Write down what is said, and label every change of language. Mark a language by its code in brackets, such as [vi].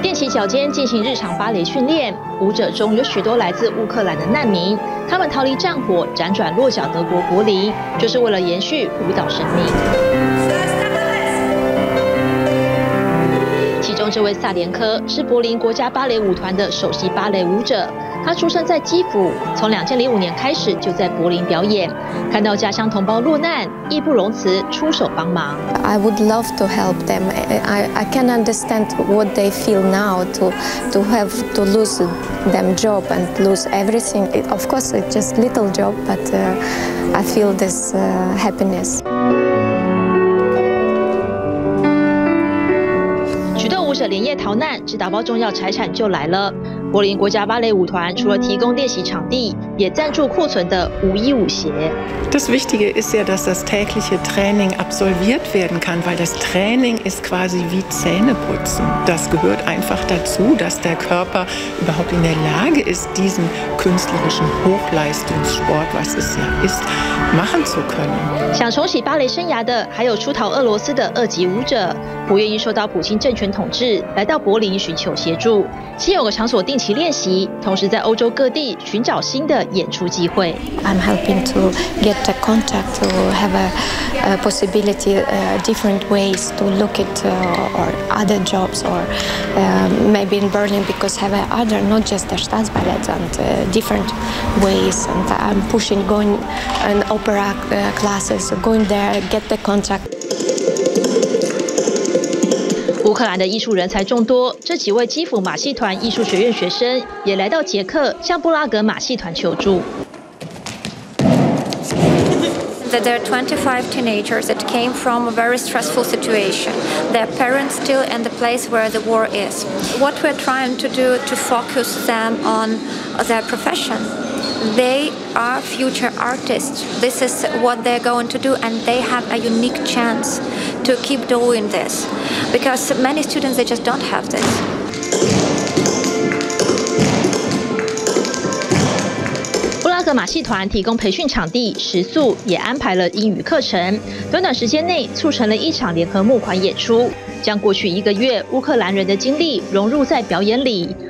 [zh] 脚尖进行日常芭蕾训练，舞者中有许多来自乌克兰的难民，他们逃离战火，辗转落脚德国柏林，就是为了延续舞蹈生命。其中中这位萨连科是柏林国家芭蕾舞团的首席芭蕾舞者，他出生在基辅，从2005年开始就在柏林表演，看到家乡同胞落难，义不容辞出手帮忙。 [en] I would love to help them. I can understand what they feel now to have to lose them job and lose everything. Of course, it's just little job, but I feel this happiness. [zh] 舞者连夜逃难，只打包重要财产就来了。柏林国家芭蕾舞团除了提供练习场地，也赞助库存的5衣5鞋。 [de] Das Wichtige ist ja, dass das tägliche Training absolviert werden kann, weil das Training ist quasi wie Zähneputzen. Das gehört einfach dazu, dass der Körper überhaupt in der Lage ist, diesen künstlerischen Hochleistungssport, was es ja ist, machen zu können. [zh] 想重启芭蕾生涯的，还有出逃俄罗斯的二级舞者，不愿意受到普京政权统治。来到柏林寻求协助，先有个场所定期练习，同时在欧洲各地寻找新的演出机会。 [en] I'm helping to get a contact to have a possibility, different ways to look at or other jobs or maybe in Berlin because have other not just the Staatsballet and different ways. And I'm pushing going an opera classes, going there get the contact. [zh] 乌克兰的艺术人才众多，这几位基辅马戏团艺术学院学生也来到捷克向布拉格马戏团求助。 [en] There are 25 teenagers that came from a very stressful situation. Their parents still in the place where the war is. What we're trying to do to focus them on their profession. They are future artists. This is what they're going to do, and they have a unique chance to keep doing this. Because many students, they just don't have this. [zh] 布拉格马戏团提供培训场地、食宿，也安排了英语课程。短短时间内，促成了一场联合募款演出，将过去一个月乌克兰人的经历融入在表演里。